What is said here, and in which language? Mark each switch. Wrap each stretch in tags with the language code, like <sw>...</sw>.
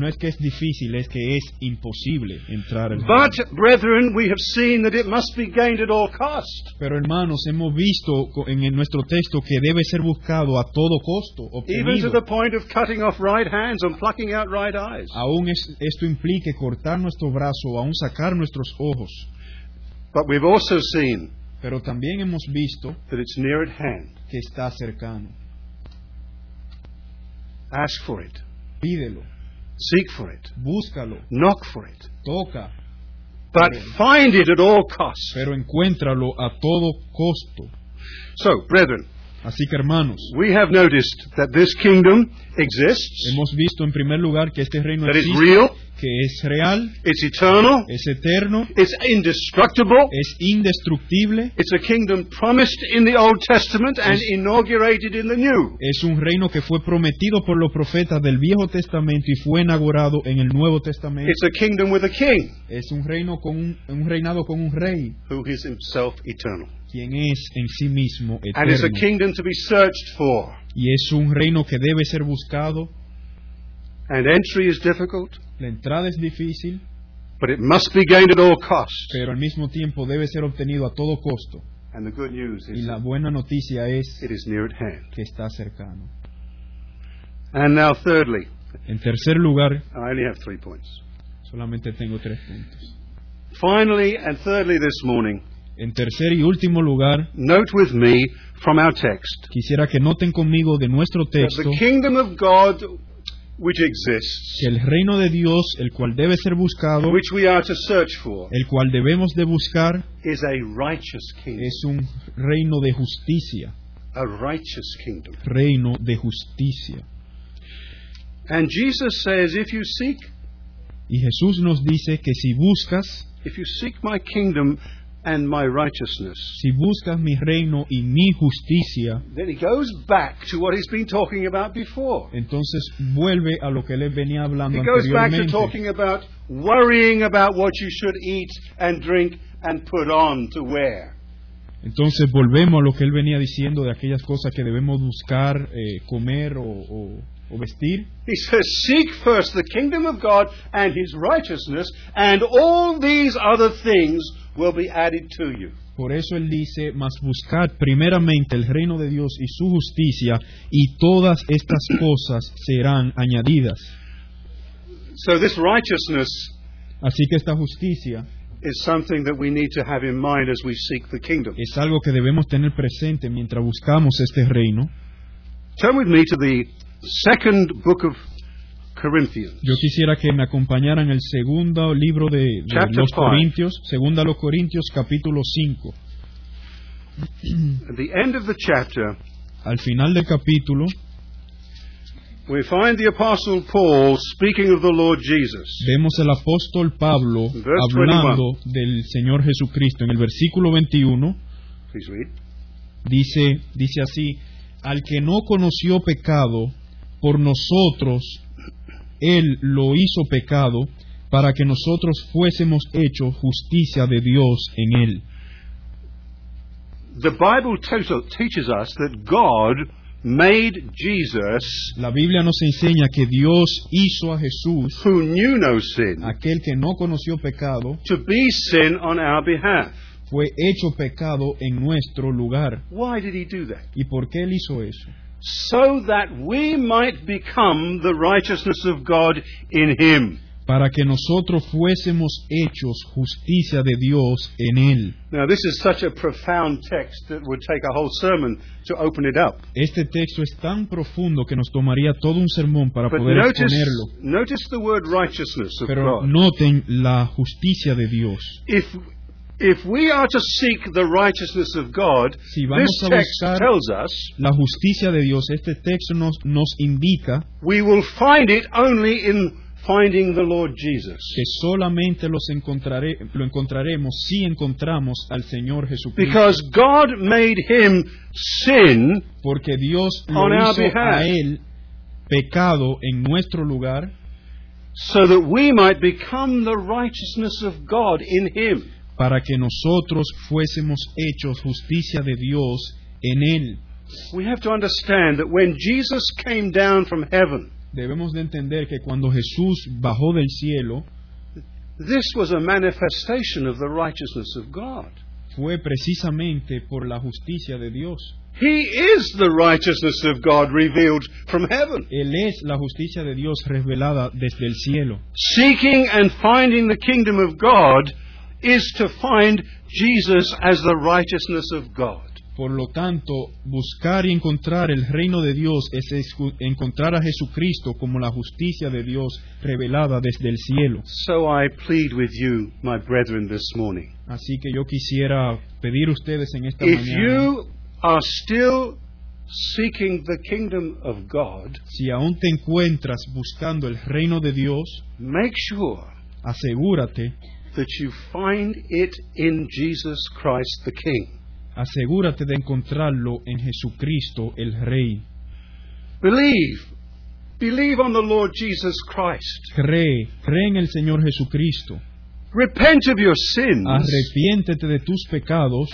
<es>No es que es difícil, es que es imposible entrar en.</es> <en>But brethren, we have seen that it must be gained at all cost.</en> <es>Pero hermanos, hemos visto en nuestro texto que debe ser buscado a todo costo, obtenido.</es> <en>Even to the point of cutting off right hands and plucking out right eyes.</en> <es>Aún esto implique cortar nuestro brazo, aún sacar nuestros ojos.</es> <en>But we've also seen.</en> <es>Pero también hemos visto</es> <en>that it's near at hand.</en> <es>Que está cercano.</es> <en>Ask for it.</en> <es>Pídelo.</es> <en>Seek for it.</en> <es>Búscalo.</es> <en>Knock for it.</en> <es>Toca.</es> <en>But find it at all costs.</en> <es>Pero encuéntralo a todo costo.</es> <en>So, brethren,</en> <es>así que hermanos,</es> <en>we have noticed that this kingdom exists.</en> <es>Hemos visto en primer lugar que este reino existe.</es> <en>That is real.</en> <es>Que es real.</es> <en>It's eternal.</en> <es>Es eterno.</es> <en>It's indestructible.</en> <es>Es indestructible.</es> <en>It's a kingdom promised in the Old Testament and inaugurated in the New.</en> <es>Es un reino que fue prometido por los profetas del Viejo Testamento y fue inaugurado en el Nuevo Testamento.</es> <en>It's a kingdom with a king.</en> <es>Es un reino con un reinado con un rey.</es> <en>Who is himself eternal.</en> <es>Quien es en sí mismo eterno.</es> <en>And it's a kingdom to be searched for.</en> <es>Y es un reino que debe ser buscado.</es> <en>And entry is difficult.</en> <es>La entrada es difícil.</es> <en>But it must be gained at all costs.</en> <es>Pero al mismo tiempo debe ser obtenido a todo costo.</es> <en>And the good news is,</en> <es>y la buena noticia es</es> <en>it is near at hand.</en> <es>Que está cercano.</es> <en>And now thirdly,</en> <es>en tercer lugar,</es> <en>I only have 3 points.</en> <es>Solamente tengo 3 puntos.</es> <en>Finally and thirdly this morning,</en> <es>en tercer y último lugar,</es> <en>note with me from our text,</en> <es>quisiera que noten conmigo de nuestro texto,</es> <en>that the kingdom of God which exists,</en> <es>que el reino de Dios, el cual debe ser buscado,</es> <en>which we are to search for,</en> <es>el cual debemos de buscar,</es> <en>is a righteous kingdom.</en> <es>Es un reino de justicia.</es> <en>A righteous kingdom.</en> <es>Reino de justicia.</es> <en>And Jesus says, if you seek,</en> <es>y Jesús nos dice que si buscas,</es> <en>if you seek my kingdom and my righteousness,</en> <es>si buscas mi reino y mi justicia,</es> <en>then he goes back to what he's been talking about before.</en> <es>Entonces vuelve a lo que él venía hablando anteriormente.</es> <en>He goes back to talking about worrying about what you should eat and drink and put on to wear.</en> <es>Entonces volvemos a lo que él venía diciendo de aquellas cosas que debemos buscar, comer o vestir.</es> <en>He says, seek first the kingdom of God and his righteousness, and all these other things will be added to you.</en> <es>Por eso él dice, mas buscad primeramente el reino de Dios y su justicia, y todas estas cosas serán añadidas.</es> <en>So this righteousness,</en> <es>así que esta justicia,</es> <en>is something that we need to have in mind as we seek the kingdom.</en> <es>Es algo que debemos tener presente mientras buscamos este reino.</es> <en>Turn with me to the second book of Corinthians.</en> <es>Yo quisiera que me acompañaran en el segundo libro de los Corintios, segunda a los Corintios, capítulo 5.</es> <en>At the end of the chapter,</en> <es>al final del capítulo,</es> <en>we find the apostle Paul speaking of the Lord Jesus.</en> <es>Vemos el apóstol Pablo hablando del Señor Jesucristo en el versículo 21.</es> <en>Please read.</en> <es>Dice así, al que no conoció pecado, por nosotros Él lo hizo pecado para que nosotros fuésemos hechos justicia de Dios en Él.</es> <en>the Bible teaches us that God made Jesus,</en> <es>la Biblia nos enseña que Dios hizo a Jesús,</es> <en>who knew no sin,</en> <es>aquel que no conoció pecado,</es> <en>to be sin on our behalf.</en> <es>Fue hecho pecado en nuestro lugar.</es> <en>Why did he do that?</en> <es>¿Y por qué él hizo eso?</es> <en>So that we might become the righteousness of God in him.</en> <es>Para que nosotros fuésemos hechos justicia de Dios en él.</es> <en>Now this is such a profound text that would take a whole sermon to open it up.</en> <es>Este texto es tan profundo que nos tomaría todo un sermón para poder exponerlo.</es> <en>Notice the word righteousness of</en> <es>Pero</es> <en>God.</en> <es>Noten la justicia de Dios.</es> <en>If we are to seek the righteousness of God,</en> <es>si vamos</es> <en>this text</en> <es>a</es> <en>tells us,</en> <es>la justicia de Dios, este texto nos indica,</es> <en>we will find it only in finding the Lord Jesus.</en> <es>Que solamente lo encontraremos si encontramos al Señor Jesucristo.</es> <en>Because God made him sin,</en> <es>porque Dios lo hizo a él pecado en nuestro lugar,</es> <en>so that we might become the righteousness of God in him.</en> <es>Para que nosotros fuésemos hechos justicia de Dios en él.</es> <en>We have to understand that when Jesus came down from heaven,</en> <es>debemos de entender que cuando Jesús bajó del cielo,</es> <en>this was a manifestation of the righteousness of God.</en> <es>Fue precisamente por la justicia de Dios.</es> <en>He is the righteousness of God revealed from heaven.</en> <es>Él es la justicia de Dios revelada desde el cielo.</es> <en>Seeking and finding the kingdom of God is to find Jesus as the righteousness of God.</en> <es>Por lo tanto, buscar y encontrar el reino de Dios es encontrar a Jesucristo como la justicia de Dios revelada desde el cielo.</es> <en>So I plead with you, my brethren, this morning.</en> <es>Así que yo quisiera pedir ustedes en esta</es> <en>if</en> <es>mañana,</es> <en>you are still seeking the kingdom of God,</en> <es>si aún te encuentras buscando el reino de Dios,</es> <en>make sure,</en> <es>asegúrate,</es> <en>that you find it in Jesus Christ the King.</en> <es>Asegúrate de encontrarlo en Jesucristo el Rey.</es> <en>Believe on the Lord Jesus Christ.</en> <es>Cree en el Señor Jesucristo.</es> <en>Repent of your sins.</en> <es>Arrepiéntete de tus pecados.</es>